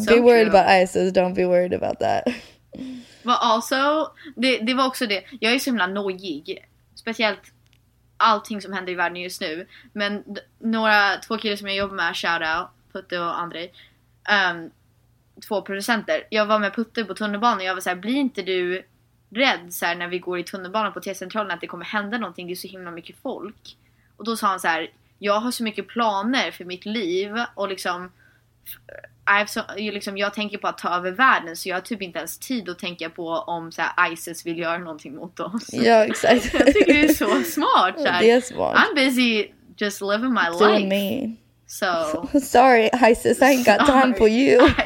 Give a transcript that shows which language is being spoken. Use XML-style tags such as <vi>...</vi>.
<en>Be worried about ISIS, don't be worried about that. Well, also,</en> <sv>det var också det. Jag är så himla nojig. Speciellt allting som händer i världen just nu. Men några två killar som jag jobbar med,</sv> <en>shout out</en> <sv>Putte och André, två producenter. Jag var med Putte på tunnelbanan och jag var så här, blir inte du rädd så här, när vi går i tunnelbanan på T-centralen att det kommer hända någonting, det är så himla mycket folk. Och då sa han så här, jag har så mycket planer för mitt liv och liksom, jag tänker på att ta över världen, så jag har typ inte ens tid att tänka på om så här, ISIS vill göra någonting mot oss. Ja, exakt. Jag tycker det är så smart. Så här. Det är smart.</sv> <en>I'm busy just living my life. Doing me. So, sorry, ISIS, I ain't got time for you.</en>